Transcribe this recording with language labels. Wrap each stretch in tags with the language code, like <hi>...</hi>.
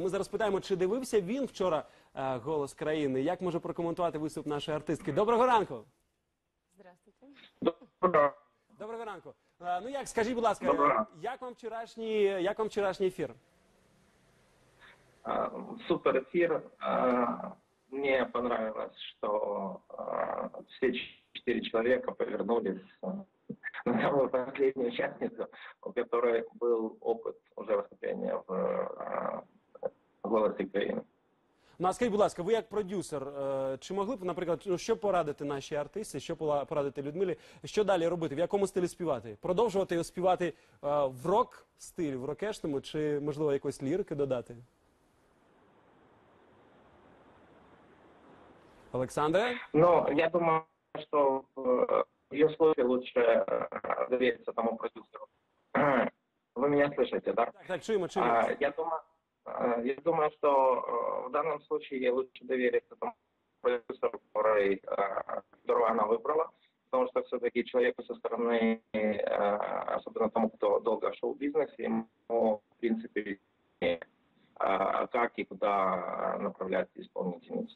<uk>Ми зараз питаємо, чи дивився він вчора «Голос країни», як може прокоментувати виступ нашої артистки. Доброго ранку!</uk> <ru>Здравствуйте.</ru> <uk>Доброго ранку. Ну як, скажіть, будь ласка, як вам вчорашній ефір? Супер ефір.</uk> <ru>Мне понравилось, что все четыре человека повернулись на последнюю участницу, у которой был опыт уже выступления в «Голосе країни».</ru> <uk>Ну, а скажіть, будь ласка, ви як продюсер, чи могли б, наприклад, що порадити нашій артисті, що порадити Людмилі, що далі робити, в якому стилі співати? Продовжувати співати в рок-стилі, в рокешному, чи, можливо, якось лірики додати?</uk> <ru>Александр? Ну, я думаю, что в ее случае лучше довериться тому продюсеру. В вы меня слышите, да?</ru> <uk>Так, чуємо, чуємо.</uk> <ru>Я думаю, что в данном случае лучше довериться тому продюсеру, который которого она выбрала, потому что все-таки человеку со стороны, особенно тому, кто долго шел в бизнес, ему, в принципе, как и куда направлять исполнительницу.</ru>